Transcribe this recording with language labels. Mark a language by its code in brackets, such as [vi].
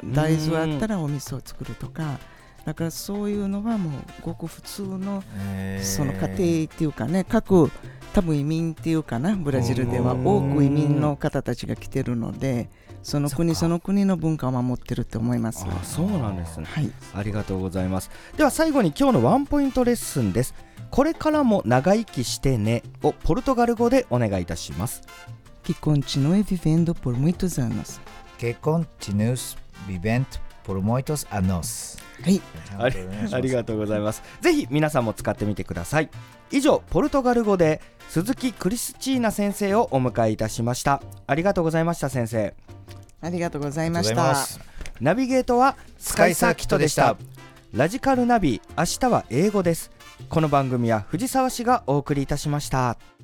[ja] 大豆あったらお味噌を作るとか。だからそういうのはもうごく普通のその家庭っていうかね、各多分移民っていうかな、ブラジルでは多く移民の方たちが来てるので、その国その国の文化を守ってると思います。あ、そうなんですね。はい、ありがとうございます。では最後に今日のワンポイントレッスンです。これからも長生きしてねをポルトガル語でお願いいたします。 [pt] Que continue vivendo por muitos anos. Que continue vivendo por muitos anos. [ja] はい、ありがとうございます。ぜひ皆さんも使ってみてください。以上、ポルトガル語で鈴木クリスチーナ先生をお迎えいたしました。ありがとうございました。先生ありがとうございました。ナビゲートはスカイサーキットでした。ラジカルナビ、明日は英語です。この番組は藤沢市がお送りいたしました。